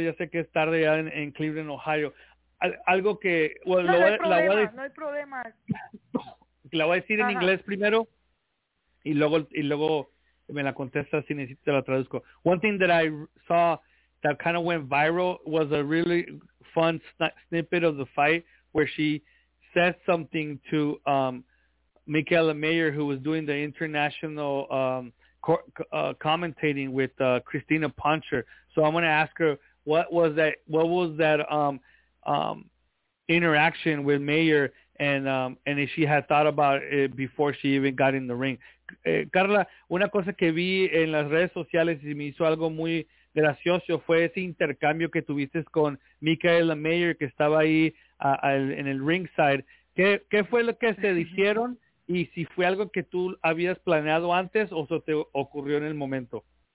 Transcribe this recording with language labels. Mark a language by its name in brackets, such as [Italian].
[Spanish] Ya sé que es tarde ya en Cleveland, Ohio. Algo que... No hay problema. La voy a decir en inglés primero. Y luego me la contesta si necesito, la traduzco. [English] One thing that I saw that kind of went viral was a really fun snippet of the fight where she said something to Michaela Mayer, who was doing the international commentating with Christina Puncher. So I'm going to ask her, what was that interaction with Mayer, and if she had thought about it before she even got in the ring. [Spanish] Carla, una cosa que vi en las redes sociales y me hizo algo muy gracioso fue ese intercambio que tuviste con Michaela Mayer, que estaba ahí en el ringside. ¿Qué fue lo que se dijeron y si fue algo que tú habías planeado antes o se te ocurrió en el momento?